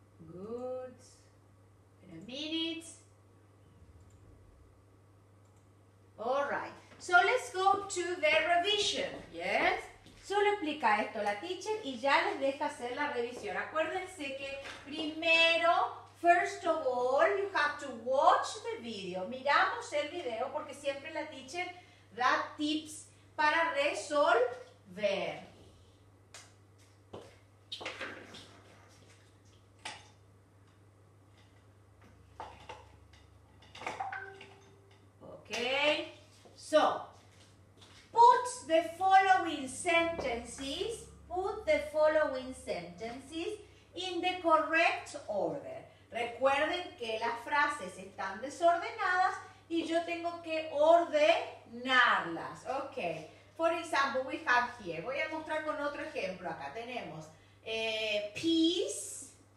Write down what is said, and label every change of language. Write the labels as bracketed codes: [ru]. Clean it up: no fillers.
[en] Good. In a minute. All right. So let's go to the revision. Yes. [es] Solo explica esto la teacher y ya les deja hacer la revisión. Acuérdense que primero... [en] First of all, you have to watch the video. [es] Miramos el video porque siempre la teacher da tips para resolver. [en] Okay. So, put the following sentences in the correct order. [es] Recuerden que las frases están desordenadas y yo tengo que ordenarlas. [en] Ok. For example, we have here. [es] Voy a mostrar con otro ejemplo. Acá tenemos peas.